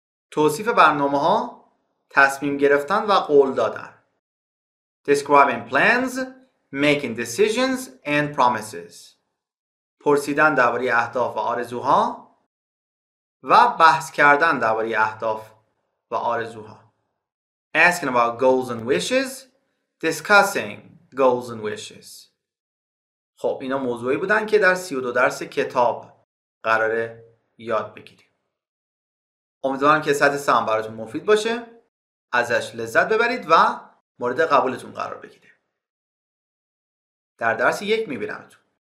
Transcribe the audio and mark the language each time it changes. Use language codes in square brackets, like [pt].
[fa] توصیف برنامه ها، تصمیم گرفتن و قول دادن. [en] Describing plans, making decisions and promises. [fa] پرسیدن درباره اهداف و آرزوها و بحث کردن درباره اهداف و آرزوها. [en] Asking about goals and wishes, discussing goals and wishes. [fa] خب اینا موضوعی بودن که در 32 درس کتاب قراره یاد بگیریم. امیدوارم که سطح سهم براتون مفید باشه، ازش لذت ببرید و مورد قبولتون قرار بگیره. در درس 1 میبینمتون.